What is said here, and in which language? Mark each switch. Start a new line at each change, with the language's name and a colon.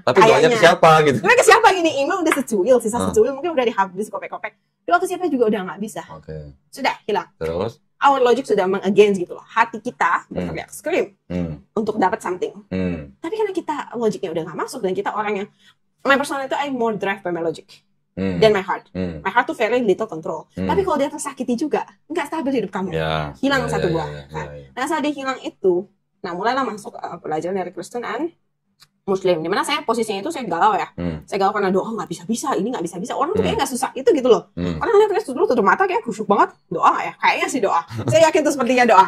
Indonesian: Tapi doanya ke siapa gitu? Doanya ke siapa gini? Iman udah secuil, sisa secuil mungkin udah dihabis kopek-kopek. Doa ke siapa juga udah nggak bisa. Okay. Sudah, hilang. Terus?
English: Our logic
Indonesian: sudah meng-against gitu loh. Hati kita berteriak
English: scream
Indonesian: untuk dapat
English: something.
Indonesian: Tapi karena kita logicnya udah nggak masuk dan kita orang yang...
English: My personal
Indonesian: itu
English: I'm more drive by my logic than my heart. My heart
Indonesian: tuh
English: very little control.
Indonesian: Tapi kalau dia tersakiti juga, nggak stabil hidup kamu. Hilang satu buah. Nah, saat dia hilang itu, nah mulailah masuk pelajaran dari Kristen
English: and
Indonesian: Muslim. Dimana saya posisinya itu saya galau ya. Saya galau karena doa nggak bisa-bisa, ini nggak bisa-bisa. Orang tuh kayaknya nggak susah itu gitu loh. Orang lihat Kristus dulu tutup mata kayak khusyuk banget. Doa nggak ya? Kayaknya sih doa. Saya yakin itu sepertinya doa.